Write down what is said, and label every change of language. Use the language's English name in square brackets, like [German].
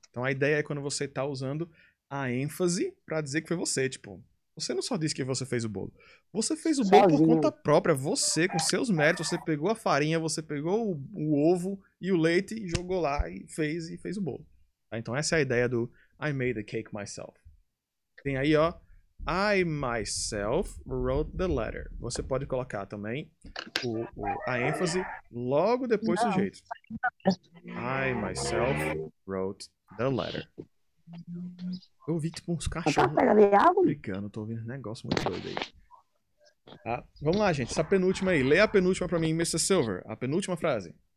[Portuguese] Então, a ideia é quando você tá usando a ênfase pra dizer que foi você. Tipo, você não só disse que você fez o bolo. Você fez o bolo por conta própria. Você, com seus méritos, você pegou a farinha, você pegou o ovo e o leite e jogou lá e fez o bolo. Tá? Então, essa é a ideia do [English] I made the cake myself. [Portuguese] Tem aí, ó, [English] I myself wrote the letter. [Portuguese] Você pode colocar também a ênfase logo depois do sujeito. [English] I myself wrote the letter. [Portuguese] Eu ouvi tipo uns cachorros brigando, tô ouvindo um negócio muito doido aí. Ah, vamos lá, gente, essa penúltima aí. Leia a penúltima pra mim, Mr. Silver. A penúltima frase.